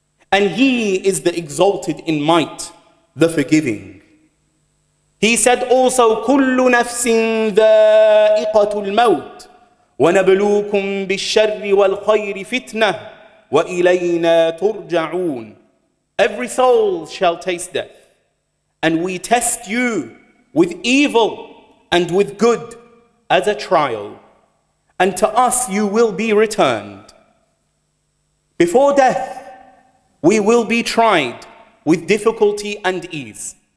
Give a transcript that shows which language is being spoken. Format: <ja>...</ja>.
<en>And he is the exalted in might, the forgiving. He said also,</en> <ar>كُلُّ نَفْسٍ ذَائِقَةُ الْمَوْتِ وَنَبْلُوكُمْ بِالشَّرِّ وَالْخَيْرِ فِتْنَةِ وَإِلَيْنَا تُرْجَعُونَ.</ar> <en>Every soul shall taste death, and we test you with evil and with good as a trial, and to us you will be returned. Before death, we will be tried with difficulty and ease.</en>